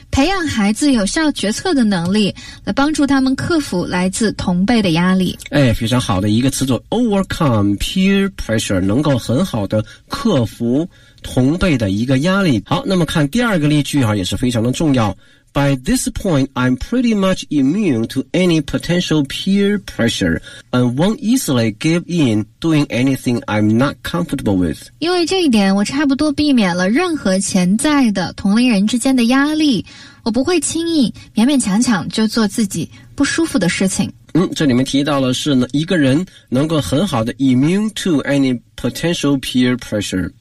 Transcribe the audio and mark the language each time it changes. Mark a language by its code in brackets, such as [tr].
[zh] 培养孩子有效决策的能力，来帮助他们克服来自同辈的压力。哎，非常好的一个词组， [en] overcome peer pressure， [zh] 能够很好的克服同辈的一个压力。好，那么看第二个例句啊，也是非常的重要。 [en] By this point, I'm pretty much immune to any potential peer pressure and won't easily give in doing anything I'm not comfortable with. [zh] 因为这一点，我差不多避免了任何潜在的同龄人之间的压力，我不会轻易勉勉强强就做自己不舒服的事情。这里面提到了是一个人能够很好的 [en] immune to any potential peer pressure。